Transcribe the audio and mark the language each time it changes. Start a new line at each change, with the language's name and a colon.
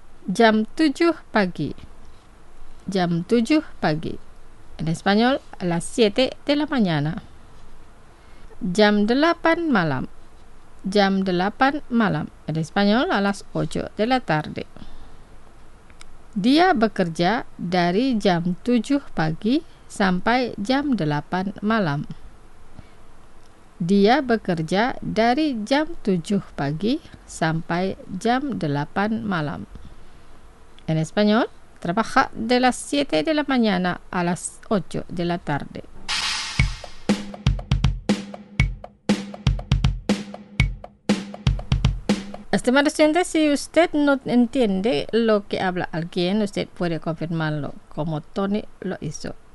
Indonesian: Jam 7 pagi. Jam 7 pagi.
Spanish: En español, a las 7 de la mañana.
Indonesian: Jam 8 malam. Jam 8 malam.
Spanish: En español, a las 8 de la tarde.
Indonesian: Dia bekerja dari jam 7 pagi sampai jam 8 malam. Dia bekerja dari jam 7 pagi sampai jam 8 malam.
Spanish: En español, trabaja de las 7 de la mañana a las 8 de la tarde. Estimados oyentes, si usted no entiende lo que habla alguien, usted puede confirmarlo, como Tony lo hizo.